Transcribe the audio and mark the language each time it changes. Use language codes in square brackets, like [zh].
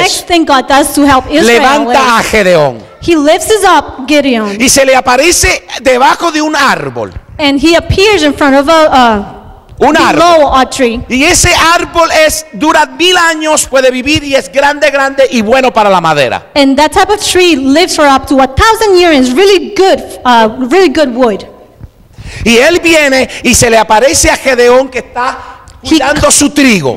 [en] next thing God does to help Israel [es] levanta a Gedeón. [en] He lifts up Gideon. [es] Y se le aparece debajo de un árbol. [en] And he appears in front of [es] un árbol. [en] A tree. [es] Y ese árbol es dura 1,000 años, puede vivir y es grande, grande y bueno para la madera. [en] And that type of tree lives for up to 1,000 years and is really good wood. [es] Y él viene y se le aparece a Gedeón que está cuidando su trigo.